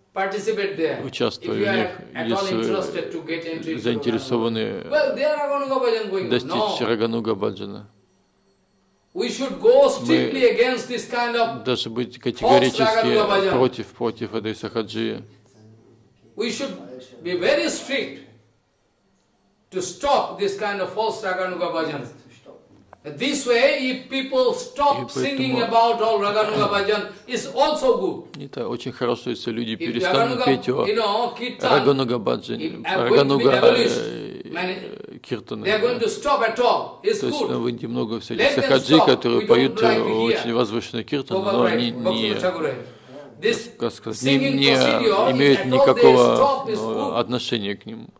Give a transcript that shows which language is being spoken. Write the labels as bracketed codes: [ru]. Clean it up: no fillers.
[en] participate there, [ru] участвовать в них, если вы заинтересованы достичь Рагануга Баджана. Мы должны быть категорически против этой Сахаджи. [en] We should be very strict to stop this kind of false Raganuga bhajan. This way, if people stop singing about all Raganuga bhajan, it's also good. [ru] Это очень хорошо, если люди перестанут петь о Рагануга бхаджане, Рагануга киртаны. То есть, вы видите много всяких сахаджи, которые поют очень возвышенные киртаны, но они не имеют никакого отношения к ним.